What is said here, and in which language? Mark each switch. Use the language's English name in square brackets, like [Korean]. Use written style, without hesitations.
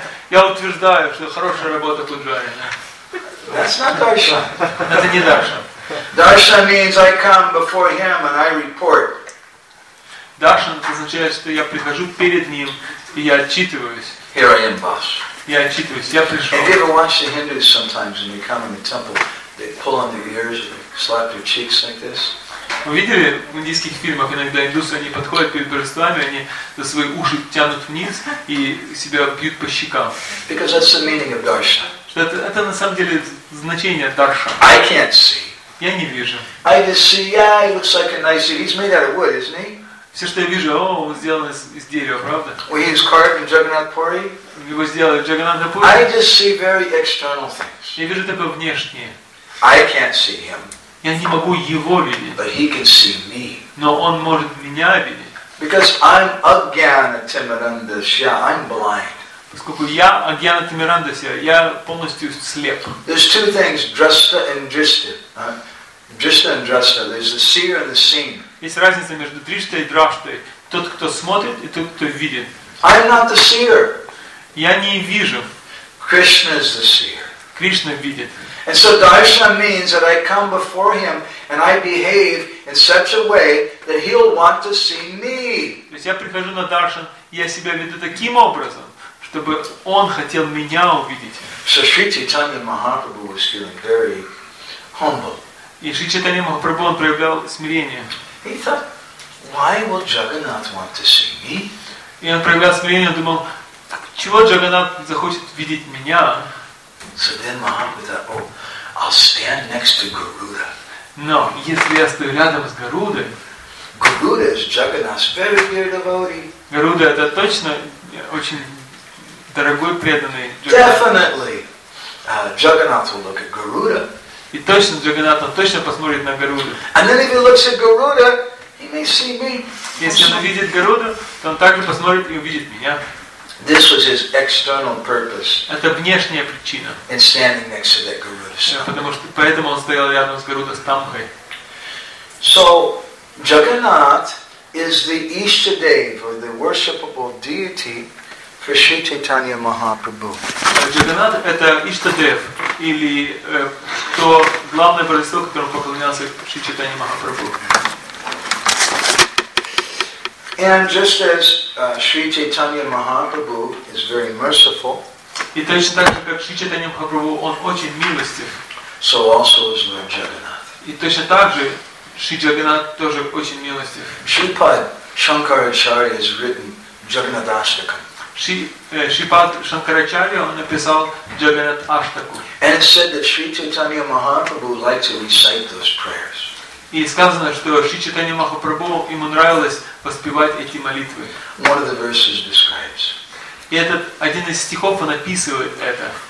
[Russian] Я утверждаю, что хорошая работа Куджари. [English] That's not darshan. [Russian] Это не даршан. [English] Darshan means I come before him and I report. [Russian] Darshan означает, что я прихожу перед ним и я отчитываюсь. [English] Here I am, boss. [Russian] Я отчитываюсь, я пришел. [English] Have you ever watched the Hindus sometimes when they come in the temple, they pull on their ears and slap their cheeks like this? [Russian] Вы видели в индийских фильмах иногда индусы они подходят перед божествами, они за свои уши тянут вниз и себя бьют по щекам. [English] Because that's the meaning of darshan. [Russian] Это на самом деле значение даршан. [English] I can't see. [Russian] Я не вижу. [English] I just see, yeah, he looks like a nice dude. He's made out of wood, isn't he? [Russian] Все, что я вижу, он сделан из дерева, правда? [English] Well, he's carved in Jagannath Puri. [Russian] Его сделали в Jagannath Puri. [English] I just see very external things. [Russian] Я вижу только внешнее. [English] I can't see him. [Russian] Я не могу его видеть. [English] But he can see me. [Russian] Но он может меня видеть. [English] Because I'm again a timid and shy. I'm blind. [Russian] Поскольку я Агьяна Тамирандаса, я полностью слеп. [English] There's two things, drashta and drishti. Drishta and drashta. There's the seer and the seen. [Russian] Есть разница между дриштой и драштой. Тот, кто смотрит, и тот, кто видит. [English] I'm not the seer. [Russian] Я не вижу. [English] Krishna is the seer. [Russian] Кришна видит. [English] And so darshan means that I come before him and I behave in such a way that he'll want to see me. [Russian] То есть я прихожу на даршан, я себя веду таким образом, чтобы он хотел меня увидеть. [English] So Sri Chaitanya Mahaprabhu was feeling very humble. [Russian] И Шри Чайтанья Махапрабху проявлял смирение. [English] He thought, why will Jagannath want to see me? [Russian] И он проявлял смирение, он думал, так чего Джаганнат захочет видеть меня? [English] So then Mahaprabhu thought, oh, I'll stand next to Garuda. [Russian] Но если я стою рядом с Гарудой, [English] Garuda is Jagannath's very dear devotee. [Russian] Гаруда это точно очень дорогой преданный. [English] Definitely, Jagannath will look at Garuda. [Russian] И точно Джаганнатха точно посмотрит на Гаруду. [English] And then if he looks at Garuda, he may see me. [Russian] Если он увидит Гаруду, то он также посмотрит и увидит меня. [English] This was his external purpose. [Russian] Это внешняя причина. [English] In standing next to that Garuda Stamkha. [Russian] Потому что поэтому он стоял рядом с Гаруда Стамхой. [English] So Jagannath is the Ishtadev or the worshipable deity for Sri Chaitanya Mahaprabhu. [Russian] Джаганнат это Ishtadev или то главное божество, которому поклонялся Шри Чайтанья Махапрабху. [English] And just as Sri Chaitanya Mahaprabhu is very merciful, [Russian] и точно так же, как Шри Чайтанья Махапрабху, он очень милостив, [English] so also is Lord Jagannath. [Russian] И точно так же Шри Джагнат тоже очень милостив. [English] Шипад Шанкарачарья has written Jagannath Ashtakam. [Russian] Шипад Шанкарачарья он написал Джаганнат Аштаку. [English] And it said that Sri Chaitanya Mahaprabhu liked to recite those prayers. [Russian] И сказано, что Шри Чайтанья Махапрабху ему нравилось воспевать эти молитвы. [English] One of the verses describes. [Russian] И этот один из стихов он описывает это.